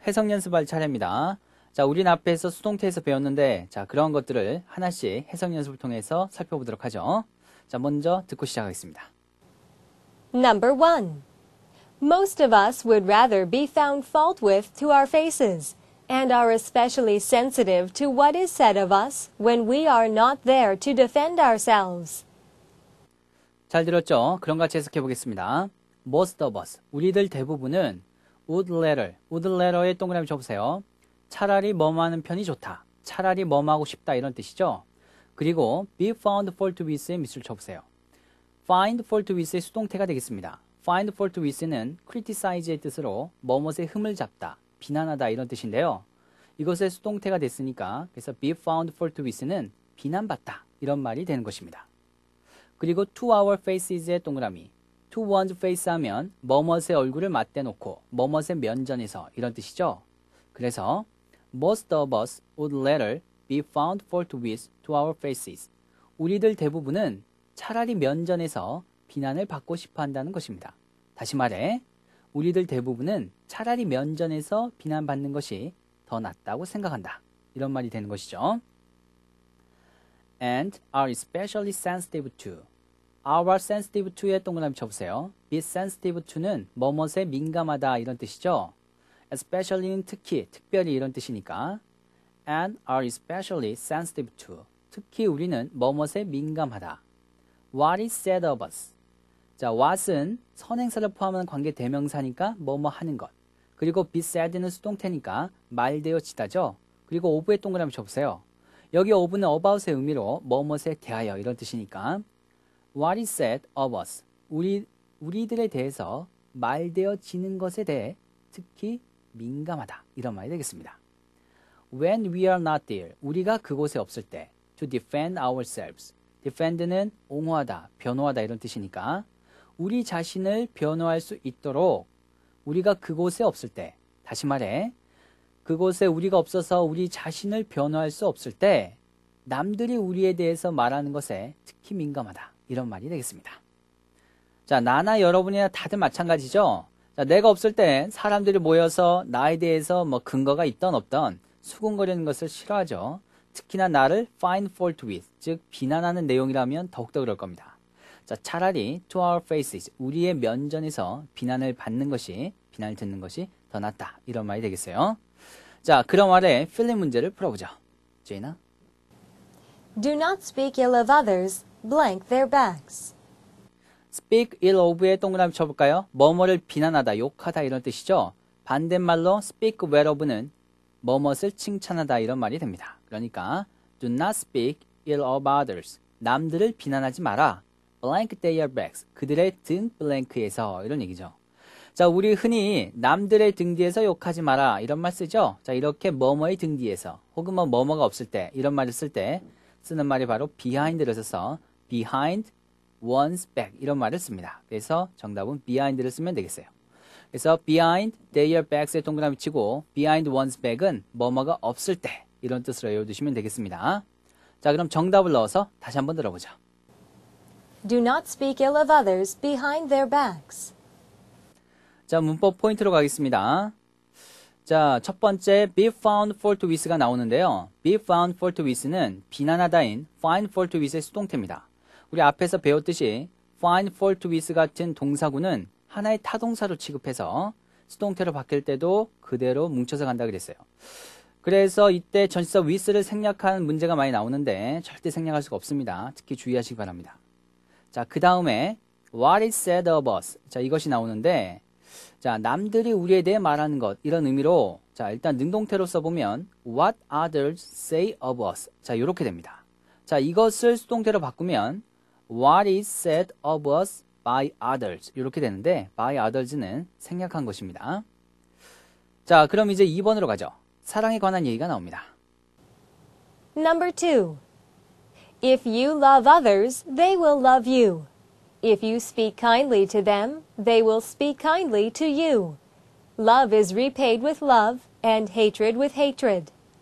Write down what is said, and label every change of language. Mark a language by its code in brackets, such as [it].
[ko] 해석 연습할 차례입니다. 자, 우리는 앞에서 수동태에서 배웠는데, 자, 그런 것들을 하나씩 해석 연습을 통해서 살펴보도록 하죠. 자, 먼저 듣고 시작하겠습니다. [en] Number one. Most of us would rather be found fault with to our faces and are especially sensitive to what is said of us when we are not there to defend ourselves. [ko] 잘 들었죠? 그럼 같이 해석해 보겠습니다. [en] Most of us, [ko] 우리들 대부분은 would rather의 동그라미 쳐보세요. 차라리 뭐뭐하는 편이 좋다. 차라리 뭐뭐하고 싶다. 이런 뜻이죠. 그리고 be found fault with의 미술 쳐보세요. find fault with의 수동태가 되겠습니다. find fault with는 criticize의 뜻으로 뭐뭇에 흠을 잡다, 비난하다 이런 뜻인데요. 이것의 수동태가 됐으니까 그래서 be found fault with는 비난받다 이런 말이 되는 것입니다. 그리고 to our faces의 동그라미. [en] To one's face [ko] 하면 뭐뭇의 얼굴을 맞대놓고 뭐뭇의 면전에서 이런 뜻이죠. 그래서 [en] most of us would rather be found fault with to our faces. [ko] 우리들 대부분은 차라리 면전에서 비난을 받고 싶어 한다는 것입니다. 다시 말해, 우리들 대부분은 차라리 면전에서 비난받는 것이 더 낫다고 생각한다. 이런 말이 되는 것이죠. [en] And are especially sensitive to. [ko] Are sensitive to의 동그라미 쳐보세요. Be sensitive to는 뭐뭇에 민감하다 이런 뜻이죠. Especially는 특히, 특별히 이런 뜻이니까. [en] And are especially sensitive to. [ko] 특히 우리는 뭐뭇에 민감하다. [en] What is said of us? [ko] 자, what은 선행사를 포함한 관계 대명사니까 뭐뭐 하는 것. 그리고 be said는 수동태니까 말되어지다죠. 그리고 of의 동그라미 쳐보세요. 여기 of는 about의 의미로 뭐뭇에 대하여 이런 뜻이니까. [en] What is said of us? [ko] 우리들에 대해서 말되어지는 것에 대해 특히 민감하다. 이런 말이 되겠습니다. [en] When we are not there, [ko] 우리가 그곳에 없을 때, [en] to defend ourselves. [ko] Defend는 옹호하다, 변호하다 이런 뜻이니까, 우리 자신을 변호할 수 있도록 우리가 그곳에 없을 때, 다시 말해, 그곳에 우리가 없어서 우리 자신을 변호할 수 없을 때, 남들이 우리에 대해서 말하는 것에 특히 민감하다. 이런 말이 되겠습니다. 자, 나나 여러분이나 다들 마찬가지죠? 자, 내가 없을 땐 사람들이 모여서 나에 대해서 뭐 근거가 있든 없든 수군거리는 것을 싫어하죠. 특히나 나를 find fault with, 즉, 비난하는 내용이라면 더욱더 그럴 겁니다. 자, 차라리 [en] to our faces, [ko] 우리의 면전에서 비난을 받는 것이, 비난을 듣는 것이 더 낫다. 이런 말이 되겠어요. 자, 그럼 아래 필링 문제를 풀어보죠. 제이나? [en] Do not speak ill of others, blank their backs. [ko] Speak ill of의 동그라미 쳐볼까요? 뭐뭐를 비난하다, 욕하다 이런 뜻이죠. 반대말로 speak well of는 뭐뭇을 칭찬하다 이런 말이 됩니다. 그러니까 [en] do not speak ill of others. [ko] 남들을 비난하지 마라. [en] Blank their backs. [ko] 그들의 등 블랭크에서 이런 얘기죠. 자, 우리 흔히 남들의 등 뒤에서 욕하지 마라 이런 말 쓰죠. 자, 이렇게 뭐뭐의 등 뒤에서 혹은 뭐 뭐뭐가 없을 때 이런 말을 쓸때 쓰는 말이 바로 behind를 써서 behind one's back 이런 말을 씁니다. 그래서 정답은 behind를 쓰면 되겠어요. 그래서 [en] behind their backs [ko] 의 동그라미 치고 behind one's back은 뭐뭐가 없을 때 이런 뜻으로 외워두시면 되겠습니다. 자, 그럼 정답을 넣어서 다시 한번 들어보죠. [en] Do not speak ill of others behind their backs. [ko] 자, 문법 포인트로 가겠습니다. 자, 첫 번째 be found fault with가 나오는데요. be found fault with는 비난하다인 find fault with의 수동태입니다. 우리 앞에서 배웠듯이 find fault with 같은 동사구는 하나의 타동사로 취급해서 수동태로 바뀔 때도 그대로 뭉쳐서 간다 그랬어요. 그래서 이때 전치사 with를 생략한 문제가 많이 나오는데 절대 생략할 수가 없습니다. 특히 주의하시기 바랍니다. 자, 그 다음에 [en] what is said of us? [ko] 자, 이것이 나오는데 자, 남들이 우리에 대해 말하는 것 이런 의미로 자, 일단 능동태로 써보면 [en] what others say of us? [ko] 자, 이렇게 됩니다. 자, 이것을 수동태로 바꾸면 [en] What is said of us by others? [ko] 이렇게 되는데, by others는 생략한 것입니다. 자, 그럼 이제 2번으로 가죠. 사랑에 관한 얘기가 나옵니다. [en] Number two. If you love others, they will love you. If you speak kindly to them, they will speak kindly to you. Love is repaid with love and hatred with hatred.